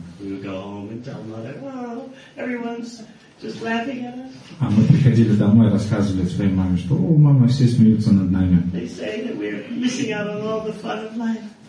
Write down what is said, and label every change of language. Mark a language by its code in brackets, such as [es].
[en] You go home and tell mother, oh, everyone's just laughing at us. [ru] А мы приходили домой и рассказывали своей маме, что, о, мама, все смеются над нами. [en] They say that we're missing out on all the fun of life.